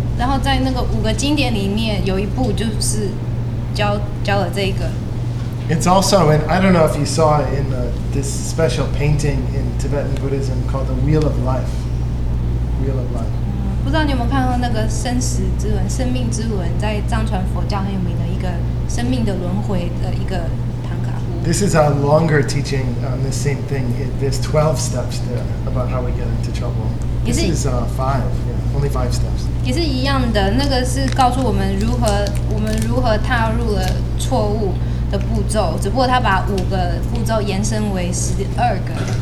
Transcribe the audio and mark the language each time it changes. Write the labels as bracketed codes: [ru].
[zh] 然后在那个五个经典里面，有一部就是教了这个。 [en] It's also, and I don't know if you saw it in this special painting in Tibetan Buddhism called the Wheel of Life. Wheel of Life. [zh] 不知道你有没有看到那个生死之轮、生命之轮，在藏传佛教很有名的一个生命的轮回的一个唐卡。 [en] This is a longer teaching on the same thing. There's 12 steps there about how we get into trouble. This is five. Yeah, only five steps. [zh] 也是一样的，那个是告诉我们如何踏入了错误的步骤，只不过他把五个步骤延伸为12个。